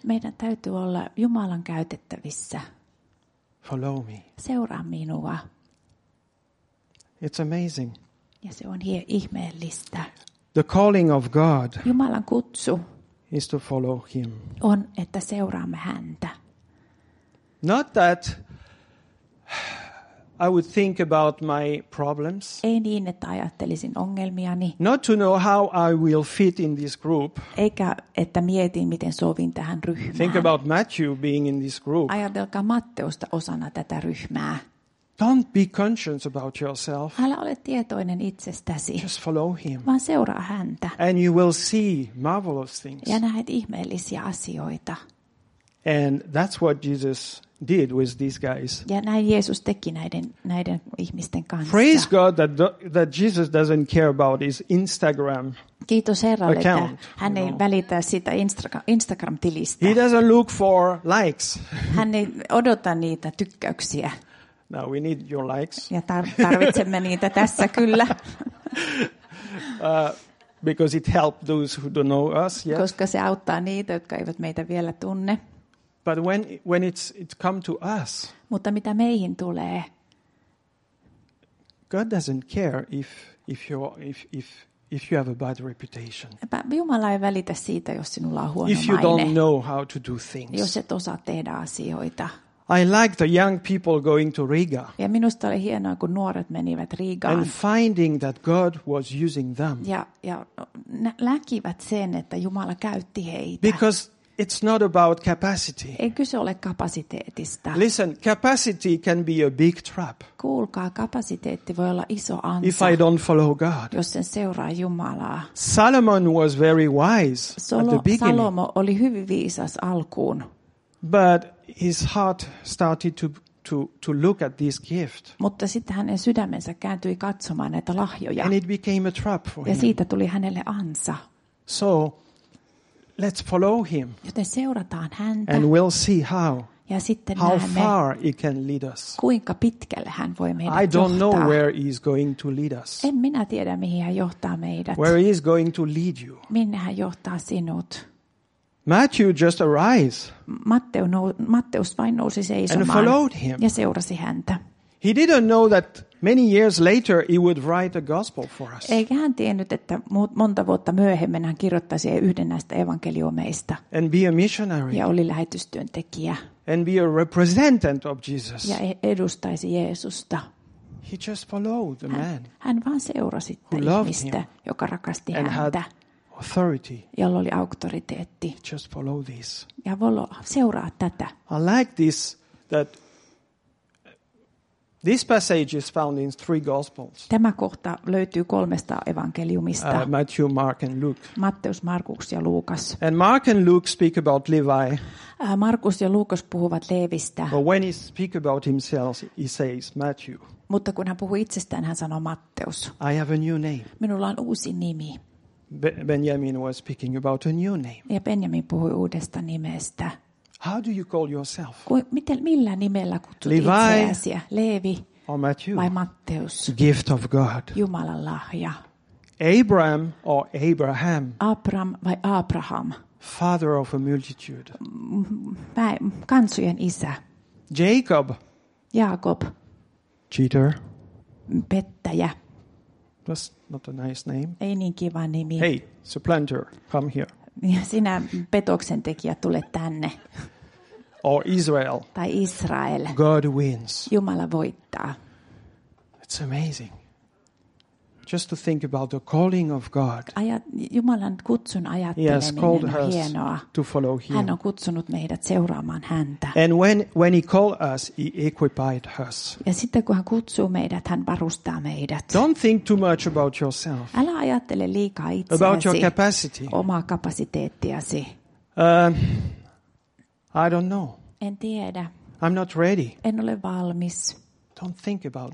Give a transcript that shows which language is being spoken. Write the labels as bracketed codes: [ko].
[fi] Meidän täytyy olla Jumalan käytettävissä. [en] Follow me. [fi] Seuraa minua. [en] It's amazing. [fi] Ja se on ihmeellistä. [en] The calling of God. [fi] Jumalan kutsu. [en] Is to follow him. [fi] On, että seuraamme häntä. [en] Not that I would think about my problems. [fi] Ei niin, että ajattelisin ongelmiani. [en] Not to know how I will fit in this group. [fi] Eikä että mietin miten sovin tähän ryhmään. [en] Think about Matthew being in this group. [fi] Ajatelkaa Matteusta osana tätä ryhmää. [en] Don't be conscious about yourself. [fi] Älä ole tietoinen itsestäsi. [en] Just follow him. [fi] Vaan seuraa häntä. [en] And you will see marvelous things. [fi] Ja näet ihmeellisiä asioita. [en] And that's what Jesus did with these guys. [fi] Ja näin Jeesus teki näiden ihmisten kanssa. [en] Praise God that Jesus doesn't care about his Instagram. [fi] Kiitos Herralle, [en] account, [fi] että hän ei välitä sitä Instagram-tilistä. [en] He doesn't look for likes. [fi] Hän ei odota niitä tykkäyksiä. [en] Now we need your likes. [fi] Ja tarvitsemme niitä tässä kyllä. [en] Because it helps those who don't know us yet. [fi] Koska se auttaa niitä, jotka eivät meitä vielä tunne. [en] But when it's come to us. [fi] Mutta mitä meihin tulee? [en] God doesn't care if you have a bad reputation. [fi] Jumala ei välitä siitä, jos sinulla on huono maine. [en] If you don't know how to do things. [fi] Jos et osaa tehdä asioita. [en] I like the young people going to Riga. [fi] Ja minusta oli hienoa, kun nuoret menivät Riigaan. [en] And finding that God was using them. [fi] Ja näkivät sen, että Jumala käytti heitä. [en] Because it's not about capacity. [fi] Ei kyse ole kapasiteetista. [en] Listen, capacity can be a big trap. [fi] Kuulkaa, kapasiteetti voi olla iso ansa. [en] If I don't follow God. [fi] Jos en seuraa Jumalaa. [en] Solomon was very wise at the beginning. [fi] Salomo oli hyvin viisas alkuun. [en] But his heart started to look at this gift. [fi] Mutta sitten hänen sydämensä kääntyi katsomaan näitä lahjoja. [en] And it became a trap for him. [fi] Ja siitä tuli hänelle ansa. [en] So let's follow him. [fi] Joten seurataan häntä. [en] And we'll see how. [fi] Ja sitten [en] how [fi] näemme, [en] far he can lead us. [fi] Kuinka pitkälle hän voi meidät johtaa. [en] I don't [fi] johtaa. [en] Know where he's going to lead us. [fi] En minä tiedä mihin hän johtaa meidät. [en] Where he is going to lead you. [fi] Minne hän johtaa sinut. [en] Matthew just arise. [fi] Matteus vain nousi seisomaan. [en] And followed him. [fi] Ja seurasi häntä. [en] He didn't know that many years later he would write a gospel for us. [fi] Eikä hän tiennyt, että monta vuotta myöhemmin hän kirjoittaisi yhden näistä evankeliumeista. [en] And be a missionary. [fi] Ja oli lähetystyöntekijä. [en] And be a representative of Jesus. [fi] Ja edustaisi Jeesusta. [en] He just followed the man. [fi] Hän vaan seurasi ihmistä, joka rakasti häntä. [en] Authority. [fi] Jolla oli auktoriteetti. [en] Just follow this. [fi] Ja voi seuraa tätä. [en] I like this that this passage is found in three gospels. [fi] Tämä kohta löytyy 3 evankeliumista. [en] Matthew, Mark and Luke. [fi] Matteus, Markus ja Luukas. [en] And Mark and Luke speak about Levi. [fi] Markus ja Luukas puhuvat Leevistä. [en] But when he speak about himself, he says Matthew. [fi] Mutta kun hän puhuu itsestään, hän sanoo Matteus. [en] I have a new name. [fi] Minulla on uusi nimi. [en] Benjamin was speaking about a new name. [fi] Ja Benjamin puhui uudesta nimestä. [en] How do you call yourself? [fi] Millä nimellä kutsut itseäsi? Levi [en] or Matthew? [fi] Vai Matteus? [en] Gift of God. [fi] Jumalan lahja. [en] Abraham or Abraham? [fi] Abram vai Abraham? [en] Father of a multitude. [fi] Kansujen isä. [en] Jacob. [fi] Jaakob. [en] Cheater. [fi] Pettäjä. [en] That's not a nice name. [fi] Ei niin kiva nimi. [en] Hey, supplanter, come here. [fi] Sinä petoksen tekijä, tule tänne. [en] Or Israel. [fi] Tai Israel. [en] God wins. [fi] Jumala voittaa. [en] It's amazing. Just to think about the calling of God. [fi] Jumalan kutsun ajatteleminen on hienoa. [en] To follow him. [fi] Hän on kutsunut meidät seuraamaan häntä. [en] And when he called us, he equipped us. [fi] Ja sitten kun hän kutsuu meidät, hän varustaa meidät. [en] Don't think too much about yourself. [fi] Älä ajattele liikaa itseäsi. [en] About your capacity. [fi] Omaa kapasiteettiasi. [en] I don't know. [fi] En tiedä. [en] I'm not ready. [fi] En ole valmis. [en] Don't think about